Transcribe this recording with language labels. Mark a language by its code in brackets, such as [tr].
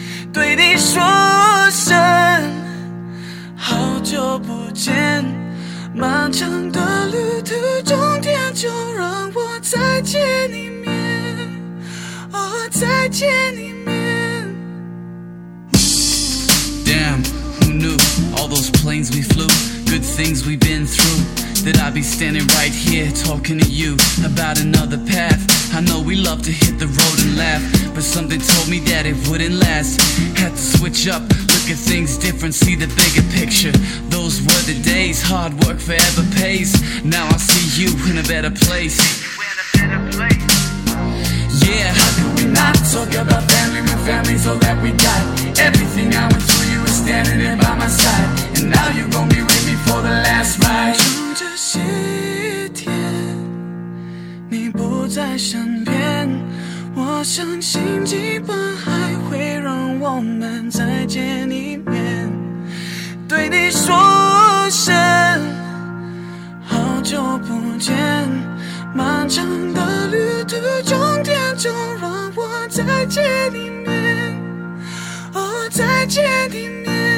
[zh] 对你说声好久不见，漫长的旅途终点就让我再见一面，哦，再见一面。 [en] Damn, who knew all those planes we flew, good things we've been throughThat I'd be standing right here talking to you about another path. I know we love to hit the road and laugh, but something told me that it wouldn't last. Had to switch up, look at things different, see the bigger picture. Those were the days, hard work forever pays. Now I see you in a better place. Yeah. How can we not talk about family when family's all that we got? Everything I went through, you were standing there by my side. And now you're gonna be with me for the last ride. [zh] 从这些天你不在身边，我相信计划还会让我们再见一面。对你说声好久不见，漫长的旅途终点就让我再见一面，哦，再见一面。